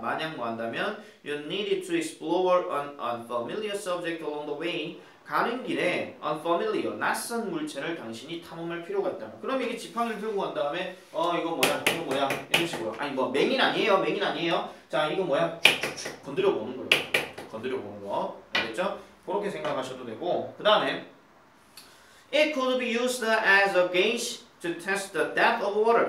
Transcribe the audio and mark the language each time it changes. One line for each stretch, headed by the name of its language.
Korean: 만약 뭐 한다면
English: you needed to explore an unfamiliar subject along the way.
Korean: 가는 길에 unfamiliar, 낯선 물체를 당신이 탐험할 필요가 있다. 그럼 이게 지팡이를 들고 간 다음에 이거 뭐야? 이거 뭐야? 이런 식으로. 아니 뭐 맹인 아니에요? 맹인 아니에요? 자, 이거 뭐야? 건드려 보는 거예요. 건드려 보는 거. 알겠죠? 그렇게 생각하셔도 되고.
English: 그다음에 it could be used as a gauge to test the depth of water.